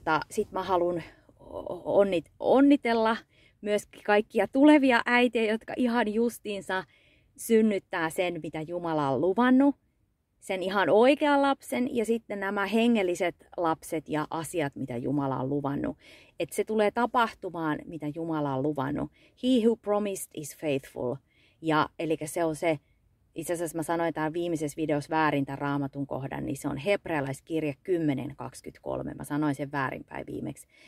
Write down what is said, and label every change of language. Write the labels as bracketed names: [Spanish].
[Finnish] Sit mä haluan onnitella myös kaikkia tulevia äitejä, jotka ihan justiinsa synnyttää sen, mitä Jumala on luvannut. Sen ihan oikean lapsen ja sitten nämä hengelliset lapset ja asiat, mitä Jumala on luvannut. Että se tulee tapahtumaan, mitä Jumala on luvannut. [English] He who promised is faithful. [Finnish] Ja eli se on se... Itse asiassa mä sanoin tämän viimeisessä videossa väärin tämän raamatun kohdan, niin se on hebrealaiskirja 10.23. Mä sanoin sen väärinpäin viimeksi.